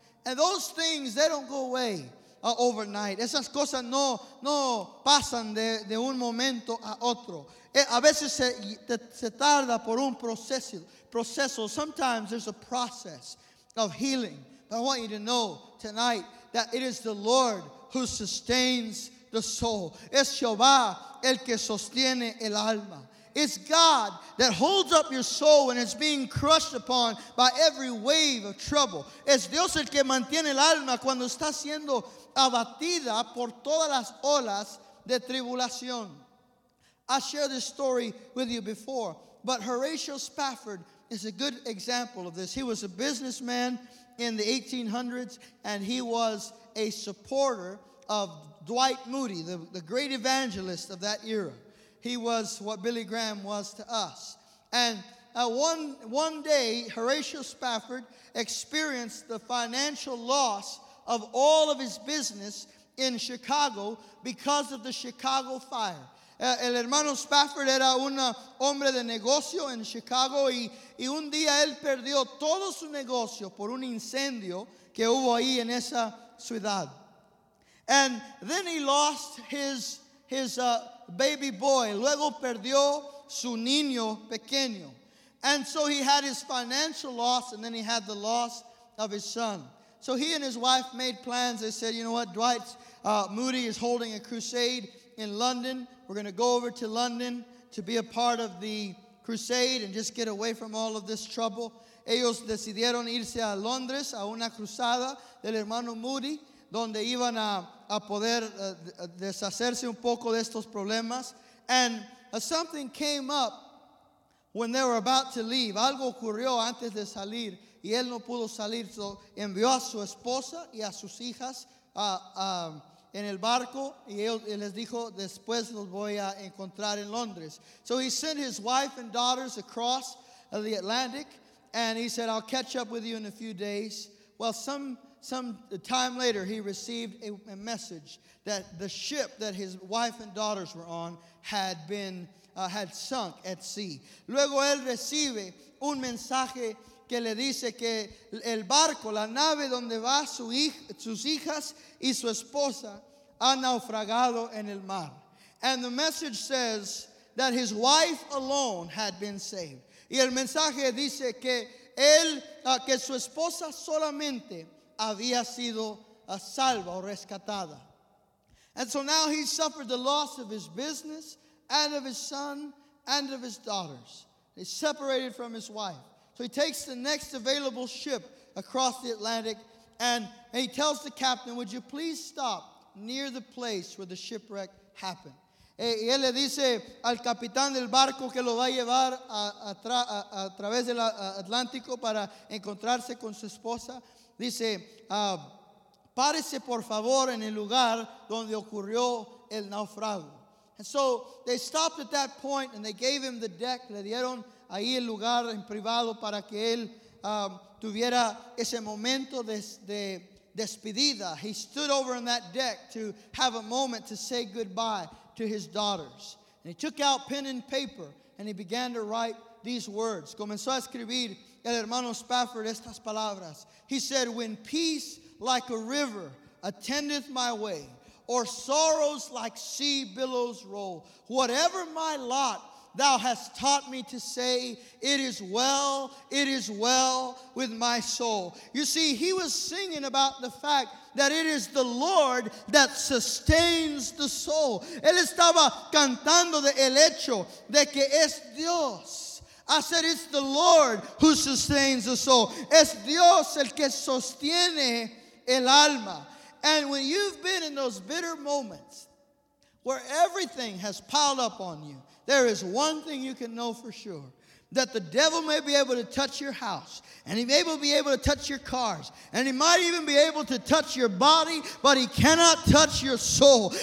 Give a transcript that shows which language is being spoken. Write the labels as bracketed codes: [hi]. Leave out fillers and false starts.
[en] And those things, they don't go away overnight. [es] Esas cosas no pasan de un momento a otro. A veces se tarda por un proceso. [en] Sometimes there's a process of healing. But I want you to know tonight that it is the Lord who sustains the soul. [es] Es Jehová el que sostiene el alma. [en] It's God that holds up your soul when it's being crushed upon by every wave of trouble. [es] Es Dios el que mantiene el alma cuando está siendo abatida por todas las olas de tribulación. [en] I shared this story with you before, but Horatio Spafford is a good example of this. He was a businessman in the 1800s, and he was a supporter of Dwight Moody, the great evangelist of that era. He was what Billy Graham was to us. And one day, Horatio Spafford experienced the financial loss of all of his business in Chicago because of the Chicago fire. [es] El hermano Spafford era un hombre de negocio en Chicago y un día él perdió todo su negocio por un incendio que hubo ahí en esa ciudad. [en] And then he lost his baby boy. [es] Luego perdió su niño pequeño. [en] And so he had his financial loss, and then he had the loss of his son. So he and his wife made plans. They said, you know what, Dwight Moody is holding a crusade in London. We're going to go over to London to be a part of the crusade and just get away from all of this trouble. [es] Ellos decidieron irse a Londres a una cruzada del hermano Moody, donde iban a poder deshacerse un poco de estos problemas. [en] And something came up when they were about to leave. [es] Algo ocurrió antes de salir, y él no pudo salir. So envió a su esposa y a sus hijas en el barco, y él les dijo, después los voy a encontrar en Londres. [en] So he sent his wife and daughters across the Atlantic, and he said, I'll catch up with you in a few days. Well, some time later, he received a message that the ship that his wife and daughters were on had been had sunk at sea. [es] Luego él recibe un mensaje que le dice que el barco, la nave donde va sus hijas y su esposa, ha naufragado en el mar. [en] And the message says that his wife alone had been saved. [es] Y el mensaje dice que él, que su esposa solamente había sido salva o rescatada. [en] And so now he suffered the loss of his business and of his son and of his daughters. He's separated from his wife. So he takes the next available ship across the Atlantic, and he tells the captain, would you please stop near the place where the shipwreck happened? [es] Y él le dice al capitán del barco que lo va a llevar a través del Atlántico para encontrarse con su esposa. Dice, párese por favor en el lugar donde ocurrió el naufragio. [en] And so they stopped at that point and they gave him the deck. [es] Le dieron ahí el lugar en privado para que él tuviera ese momento de despedida. [en] He stood over on that deck to have a moment to say goodbye to his daughters. And he took out pen and paper and he began to write these words. Comenzó a escribir el hermano Spafford estas palabras. He said, when peace like a river attendeth my way, or sorrows like sea billows roll, whatever my lot thou hast taught me to say, it is well with my soul. You see, he was singing about the fact that it is the Lord that sustains the soul. [es] Él estaba cantando de el hecho de que es Dios. [en] I said, it's the Lord who sustains the soul. [es] Es Dios el que sostiene el alma. [en] And when you've been in those bitter moments where everything has piled up on you, there is one thing you can know for sure, that the devil may be able to touch your house, and he may be able to touch your cars, and he might even be able to touch your body, but he cannot touch your soul.